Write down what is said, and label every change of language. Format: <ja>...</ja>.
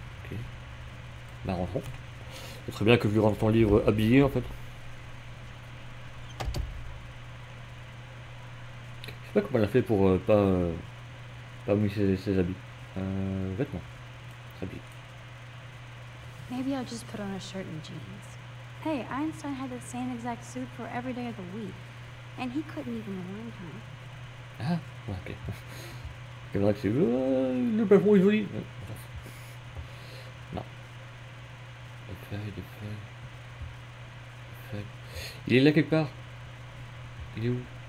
<fr>Ok. Bah rentrons. Ce serait bien que je lui rende ton livre habillé en fait. Je sais pas comment elle a fait pour pas mouiller ses habits. Vêtements. S'habiller.</fr> <en>Maybe I'll just put on a shirt and jeans. Hey, Einstein had the same exact suit for every day of the week. And he couldn't even warn her. Ah, ok.</en> <fr>C'est vrai que c'est le plafond est joli. Non. Le feuille. Il est là quelque part. Il est où?</fr>